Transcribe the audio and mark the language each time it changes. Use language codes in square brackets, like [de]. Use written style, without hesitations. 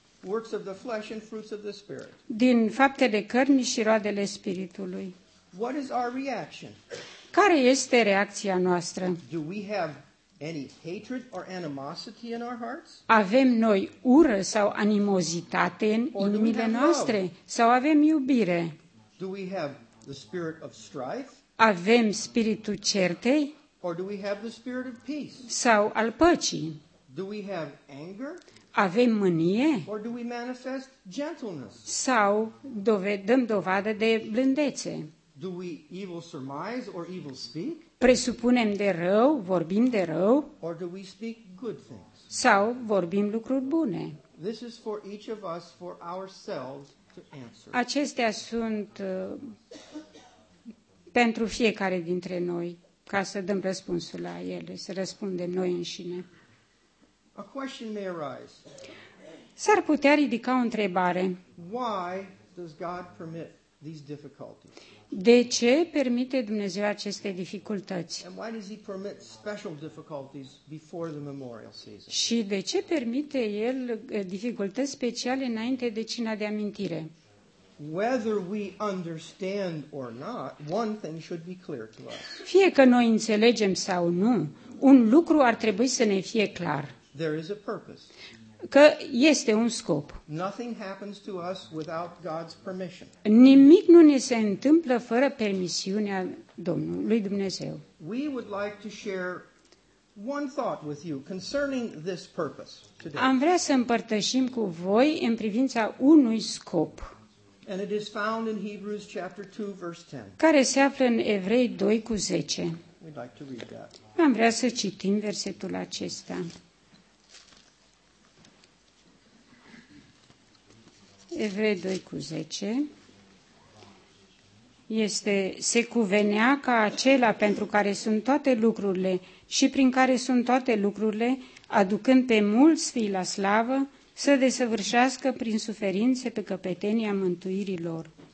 [en] Works of the flesh and fruits of the Spirit. [ro] Din faptele cărnii și roadele Spiritului. [en] What is our reaction? [ro] Care este reacția noastră? [en] Do we have any hatred or animosity in our hearts? [ro] Avem noi ură sau animozitate în inimile noastre? Sau avem iubire? [en] Do we have the spirit of strife? [ro] Avem spiritul certei? [en] Or do we have the spirit of peace? [ro] Sau al păcii? [en] Do we have anger? [ro] Avem mânie? [en] Or do we manifest gentleness? [ro] Sau dăm dovadă de blândețe? [en] Do we evil surmise or evil speak? [ro] Presupunem de rău, vorbim de rău? [en] Or do we speak good things? [ro] Sau vorbim lucruri bune? [en] This is for each of us, for ourselves to answer. [ro] Acestea sunt pentru fiecare dintre noi, ca să dăm răspunsul la ele, să răspundem noi înșine. [en] A question may arise. [ro] S-ar putea ridica o întrebare. [en] Why does God permit these difficulties? [ro] De ce permite Dumnezeu aceste dificultăți? [en] And why does he permit special difficulties before the memorial season? [ro] Și de ce permite el dificultăți speciale înainte de cina de amintire? [en] Whether we understand or not, one thing should be clear to us. [ro] Fie că noi înțelegem sau nu, un lucru ar trebui să ne fie clar. [en] There is a purpose. [ro] Că este un scop. [en] Nothing happens to us without God's permission. [ro] Nimic nu ne se întâmplă fără permisiunea lui Dumnezeu. [en] We would like to share one thought with you concerning this purpose today. [ro] Am vrea să împărtășim cu voi în privința unui scop. [en] And it is found in Hebrews chapter 2 verse 10. [ro] Care se află în Evrei 2 cu 10. [en] We'd like to read that. [ro] Am vrea să citim versetul acesta. Evrei 2 cu 10. Este, se cuvenea ca acela pentru care sunt toate lucrurile și prin care sunt toate lucrurile, aducând pe mulți fii la slavă, să desăvârșească prin suferințe pe căpetenia mântuirii lor.